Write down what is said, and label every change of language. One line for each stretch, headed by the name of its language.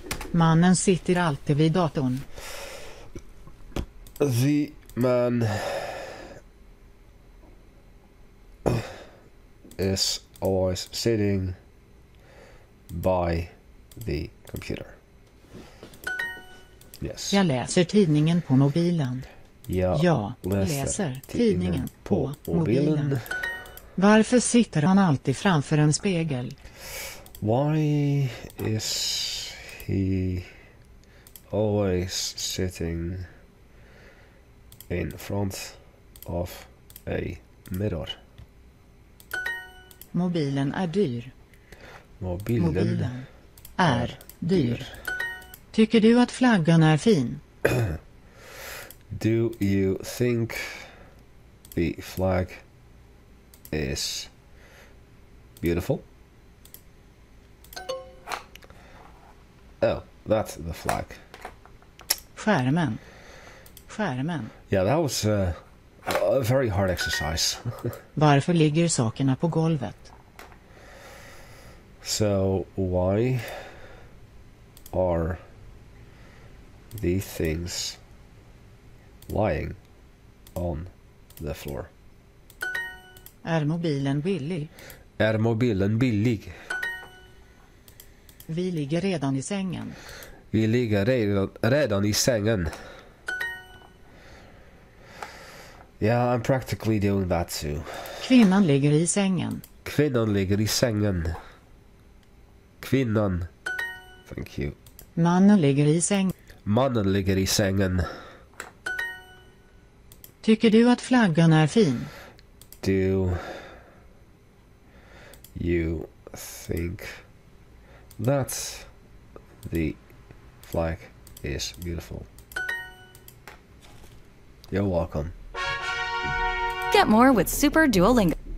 Swedish: Mannen sitter alltid vid datorn.
English: The man is always sitting by the computer. Yes.
Swedish: Jag läser tidningen på mobilen. Jag läser tidningen på mobilen. Varför sitter han alltid framför en spegel?
English: Why is he always sitting in front of a mirror?
Swedish: Mobilen är dyr. Mobilen är dyr. Tycker du att flaggan är fin?
English: Do you think the flag is beautiful? Oh, that's the flag.
Swedish: Skärmen. Skärmen.
English: Yeah, that was a very hard exercise.
Swedish: Varför ligger sakerna på golvet?
English: So, why are these things lying on the floor?
Swedish: Är mobilen billig? Är mobilen billig? Vi ligger redan i sängen. Vi ligger redan i sängen.
English: Yeah, I'm practically doing that too.
Swedish: Kvinnan ligger i sängen. Kvinnan ligger i sängen. Kvinnan.
English: Thank you.
Swedish: Mannen ligger i sängen. Mannen ligger i sängen. Tycker du att flaggan är fin?
English: Do you think that the flag is beautiful? You're welcome. Get more with Super Duolingo.